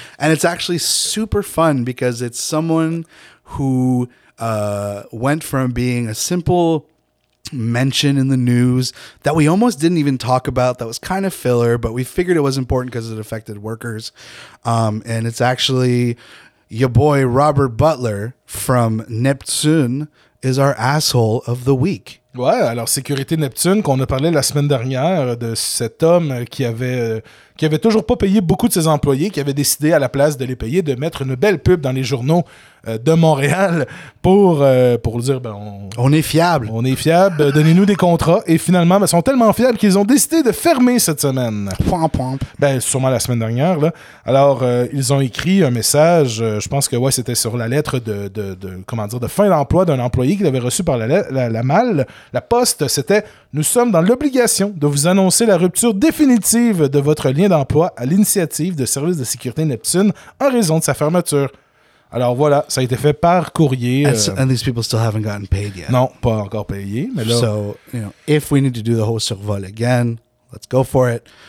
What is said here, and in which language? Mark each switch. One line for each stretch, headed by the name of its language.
English: And it's actually super fun because it's someone who went from being a simple mention in the news that we almost didn't even talk about, that was kind of filler, but we figured it was important because it affected workers. And it's actually... Your boy Robert Butler from Neptune is our asshole of the week.
French: Ouais, alors Sécurité Neptune, qu'on a parlé la semaine dernière de cet homme qui avait toujours pas payé beaucoup de ses employés, qui avait décidé à la place de les payer de mettre une belle pub dans les journaux de Montréal pour dire ben, on est fiable, donnez-nous des contrats. Et finalement, ben, ils sont tellement fiables qu'ils ont décidé de fermer cette semaine. Ben, sûrement la semaine dernière. Là. Alors, ils ont écrit un message, je pense que ouais, c'était sur la lettre de fin d'emploi d'un employé qu'il avait reçu par la poste, c'était « Nous sommes dans l'obligation de vous annoncer la rupture définitive de votre lien d'emploi à l'initiative de Service de sécurité Neptune en raison de sa fermeture. » Alors voilà, ça a été fait par courrier.
English: And these people still haven't gotten paid yet.
French: Non, pas encore payé. Mais là,
English: so, you know, if we need to do the whole survol again, let's go for it.